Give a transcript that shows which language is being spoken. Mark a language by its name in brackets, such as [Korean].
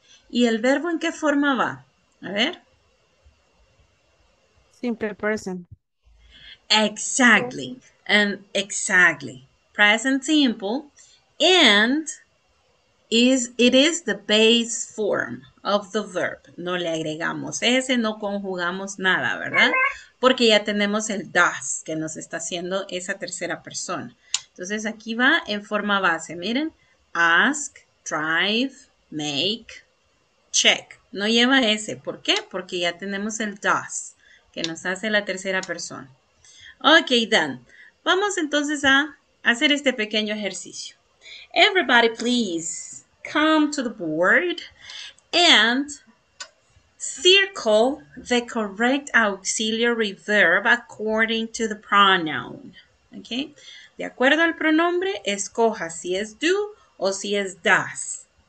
[Spanish] ¿Y el verbo en qué forma va? A ver. [English] Simple present. Exactly. And exactly. Present simple. And it is the base form of the verb. [Spanish] No le agregamos ese, no conjugamos nada, ¿verdad? Porque ya tenemos el does que nos está haciendo esa tercera persona. Entonces aquí va en forma base. Miren, ask, drive, make, check. No lleva ese. ¿Por qué? Porque ya tenemos el does que nos hace la tercera persona. [English] Ok, done. [Spanish] Vamos entonces a hacer este pequeño ejercicio. [English] Everybody, please come to the board and circle the correct auxiliary verb according to the pronoun. Okay? [Spanish] De acuerdo al pronombre, escoja si es do o si es does.